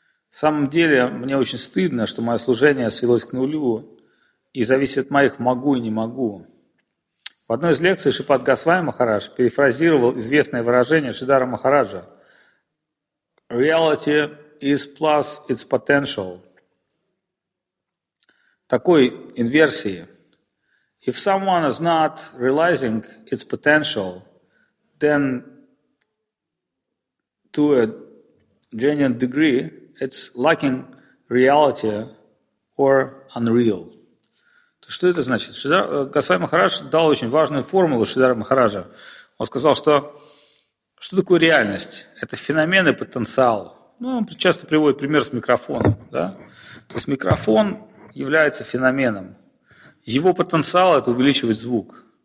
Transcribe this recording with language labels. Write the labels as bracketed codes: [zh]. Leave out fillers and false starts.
[ru] В самом деле, мне очень стыдно, что мое служение свелось к нулю и зависит от моих «могу» и «не могу». В одной из лекций Шипад Госвами Махарадж перефразировал известное выражение Шридхара Махараджа [en] «Reality is plus its potential». [ru] Такой инверсии. [en] If someone is not realizing its potential, then to a genuine degree, it's lacking reality or unreal. [ru] Что это значит? Госвами Махарадж дал очень важную формулу Шридхара Махараджа. Он сказал, что такое реальность? Это феномен и потенциал. Ну, он часто приводит пример с микрофоном. Да? То есть микрофон является феноменом. Его потенциал – это увеличивать звук.